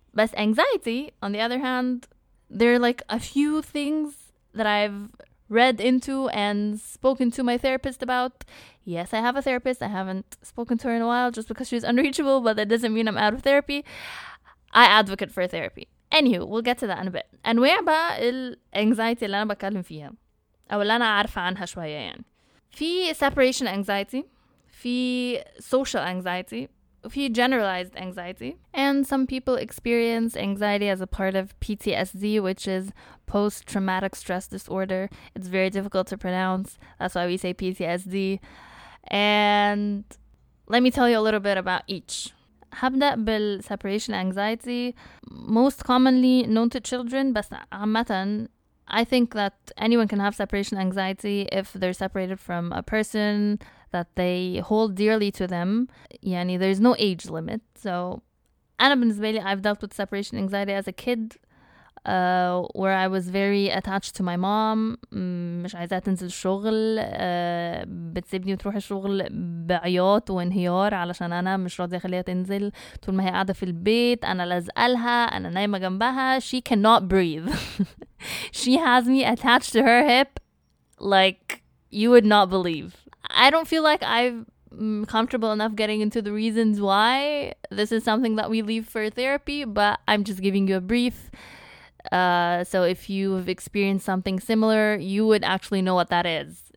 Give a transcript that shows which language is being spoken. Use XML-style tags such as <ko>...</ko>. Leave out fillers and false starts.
<en>But anxiety, on the other hand, there are like a few things that I've read into and spoken to my therapist about. Yes, I have a therapist. I haven't spoken to her in a while just because she's unreachable, but that doesn't mean I'm out of therapy. I advocate for therapy. Anywho, we'll get to that in a bit. And where about the anxiety</en> <ar>اللي أنا بكلم فيها أو اللي أنا عارفة عنها شوية يعني.</ar> <en>في separation anxiety, في social anxiety, في generalized anxiety, and some people experience anxiety as a part of PTSD, which is post-traumatic stress disorder. It's very difficult to pronounce, that's why we say PTSD. And let me tell you a little bit about each. هبدأ بالseparation anxiety, most commonly known to children,</en> <ar>بس عامة</ar> <en>I think that anyone can have separation anxiety if they're separated from a person that they hold dearly to them. يعني there's no age limit. So</en> <ar>أنا بالنسبة لي,</ar> <en>I've dealt with separation anxiety as a kid, where I was very attached to my mom.</en> <ar>مش عايزة تنزل الشغل, بتسيبني وتروح الشغل بعياط وانهيار علشان أنا مش راضي أخليها تنزل. طول ما هي قاعدة في البيت أنا لازقلها, أنا نايمة جنبها,</ar> <en>she cannot breathe. She has me attached to her hip like you would not believe. I don't feel like I'm comfortable enough getting into the reasons why. This is something that we leave for therapy, but I'm just giving you a brief. So if you've experienced something similar, you would actually know what that is.</en>